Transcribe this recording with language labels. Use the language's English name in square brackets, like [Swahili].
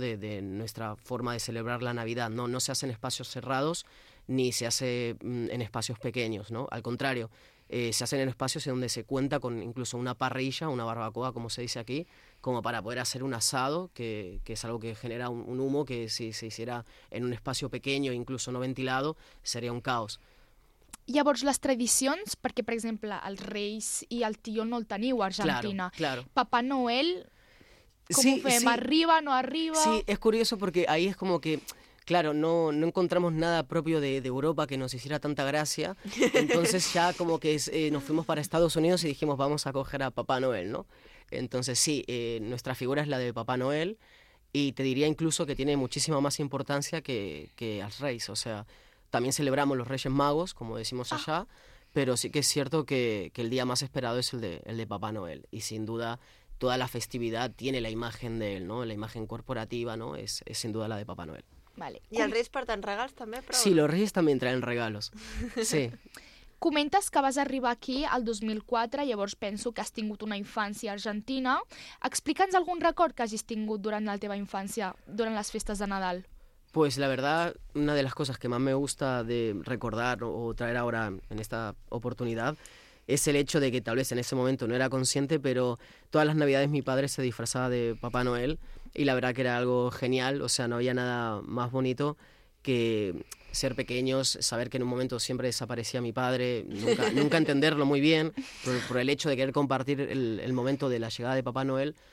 [Spanish] De nuestra forma de celebrar la Navidad, ¿no? No se hace en espacios cerrados ni se hace en espacios pequeños, ¿no? Al contrario, se hacen en espacios en donde se cuenta con incluso una parrilla, una barbacoa, como se dice aquí, como para poder hacer un asado, que es algo que genera un humo que si se hiciera en un espacio pequeño, incluso no ventilado, sería un caos. [Catalan] Llavors, les tradicions, perquè, per exemple, els Reis i el Tio no el teniu a Argentina. [Spanish] Claro, claro. [Catalan] Papà Noel, com sí, ho fem? Sí. Arriba, no arriba? [Spanish] Sí, es curioso porque ahí es como que... claro, no encontramos nada propio de Europa que nos hiciera tanta gracia. Entonces ya como que nos fuimos para Estados Unidos y dijimos, vamos a coger a Papá Noel, ¿no? Entonces sí, nuestra figura es la de Papá Noel, y te diría incluso que tiene muchísima más importancia que al rey. O sea, también celebramos los Reyes Magos, como decimos allá, pero sí que es cierto que el día más esperado es el de Papá Noel. Y sin duda, toda la festividad tiene la imagen de él, ¿no? La imagen corporativa, ¿no? Es sin duda la de Papá Noel. Vale. ¿Y el rey [Catalan] porten regals [Spanish] también? [Catalan] Però... [Spanish] Sí, los reyes también traen regalos. Sí. [Catalan] Comentes que vas arribar aquí al 2004, llavors penso que has tingut una infància argentina. Explica'ns algun record que hagis tingut durant la teva infància, durant les festes de Nadal. [Spanish] Pues la verdad, una de las cosas que más me gusta de recordar o traer ahora en esta oportunidad es el hecho de que tal vez en ese momento no era consciente, pero todas las Navidades mi padre se disfrazaba de Papá Noel y la verdad que era algo genial. O sea, no había nada más bonito que ser pequeños, saber que en un momento siempre desaparecía mi padre, nunca entenderlo muy bien por el hecho de querer compartir el momento de la llegada de Papá Noel.